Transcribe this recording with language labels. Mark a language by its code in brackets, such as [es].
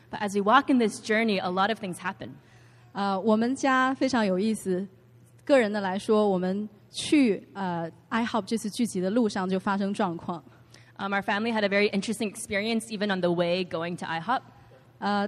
[en] But as we walk in this journey, a lot of things happen. [zh] 我们家非常有意思，个人的来说，我们去 iHop 这次聚集的路上就发生状况。 [en] Our family had a very interesting experience even on the way going to iHop.